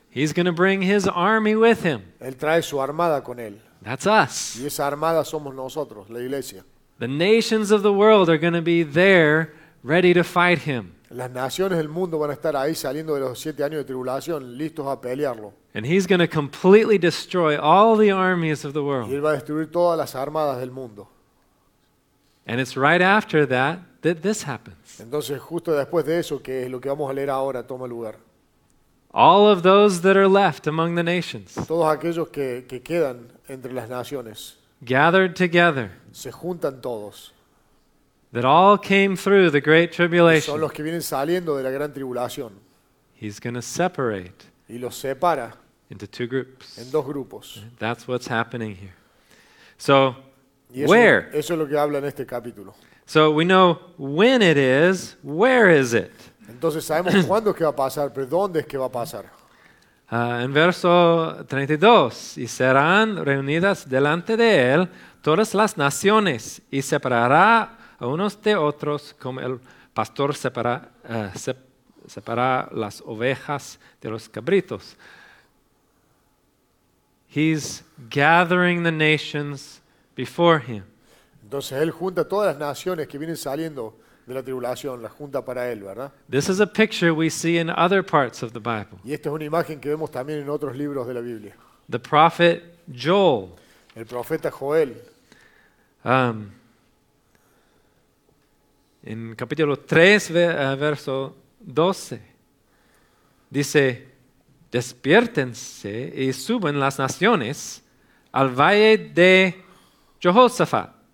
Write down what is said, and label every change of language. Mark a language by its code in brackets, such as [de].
[en] He's going to bring his army with him. [es] Él trae su armada con él. [en] That's us. [es] Y esa armada somos nosotros, la iglesia. [en] The nations of the world are going to be there ready to fight him. [es] Las naciones del mundo van a estar ahí saliendo de los siete años de tribulación, listos a pelearlo. [en] And he's going to completely destroy all the armies of the world. [es] Y él va a destruir todas las armadas del mundo. [en] And it's right after that that this happens. [es] Entonces justo después de eso, que es lo que vamos a leer ahora, toma lugar. [en] All of those that are left among the nations. [es] Todos aquellos que quedan entre las naciones. [en] Gathered together. [es] Se juntan todos. [en] That all came through the great tribulation. [es] Son los que vienen saliendo de la gran tribulación. [en] He's going to separate. [es] Y los separa. [en] Into two groups. [es] En dos grupos. [en] That's what's happening here. So, where? [es] Eso es lo que habla en este capítulo. [en] So we know when it is. Where is it? [es] Entonces sabemos cuándo es que va a pasar, pero dónde es que va a pasar. En verso 32, y serán reunidas delante de él todas las naciones, y separará a unos de otros, como el pastor separa las ovejas de los cabritos. [en] He's gathering the nations before him. [es] Entonces él junta todas las naciones que vienen saliendo de la tribulación, la junta para él, ¿verdad? [en] This is a picture we see in other parts of the Bible. [es] Y esta es una imagen que vemos también en otros libros de la Biblia. [en] The prophet Joel. [es] El profeta Joel. En capítulo 3, verso 12, dice: despiértense y suben las naciones al valle de Jehoshaphat.